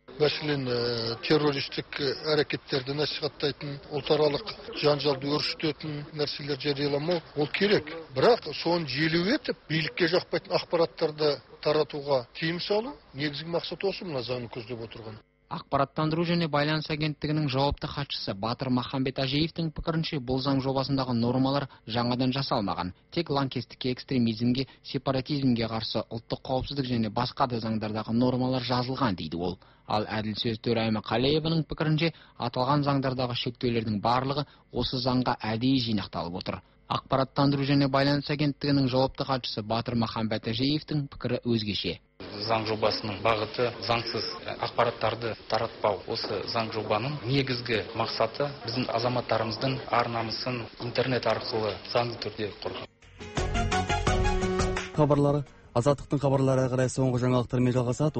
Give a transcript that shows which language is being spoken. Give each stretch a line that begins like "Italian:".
Kazakh: Мәселен, террористік әрекеттерді насихаттайтын, ұлтаралық жанжалды өршітетін нәрселер жарияламау ол керек. Бірақ соны желеу етіп, билікке жақпайтын ақпараттарды таратуға тыйым салу негізгі мақсат осы, мына заңды көздеп отырған.
Kyrgyz: Акпараттандыруу жана байланыш агенттигинин жоопту катчысы Батыр Махамбет Ажиевтин пикиринче, бул заң жобасындагы нормалар жаңадан жасалмаган. Тек ланкестикке, экстремизмге, сепаратизмге каршы улуттук коопсуздук жана башка да заңдардагы нормалар жазылган, дейди ал. Ал Адил Сөз Төрайымы Калеевинин пикиринче, аталган заңдардагы шектөөлөрдүн баарлыгы осы заңга әдейі жыйнакталып отур. Акпараттандыруу жана байланыш агенттигинин жоопту катчысы Батыр Махамбет Ажиевтин пикири өзгөчө.
Kazakh: Заң жобасының бағыты заңсыз ақпараттарды таратпау. Осы заң жобаның негізгі мақсаты біздің азаматтарымыздың арнамысын интернет арқылы заңды түрде қорғау. Хабарлары Азаттықтың хабарлары қарай соңғы жаңалықтармен жалғасады.